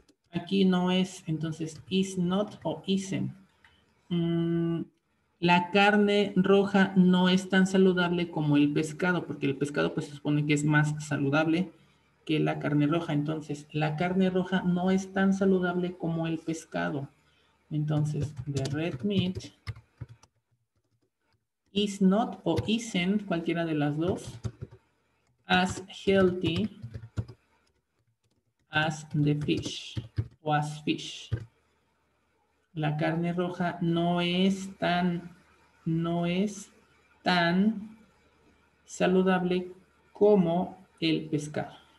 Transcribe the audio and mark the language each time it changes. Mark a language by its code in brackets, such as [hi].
[es] Aquí no es, entonces [en] is not [es] o isn't. La carne roja no es tan saludable como el pescado, porque el pescado pues se supone que es más saludable que la carne roja. Entonces, la carne roja no es tan saludable como el pescado. [en] Entonces, the red meat is not o isn't, [es] cualquiera de las dos, [en] as healthy as the fish o as fish. [es] La carne roja no es tan saludable como el pescado.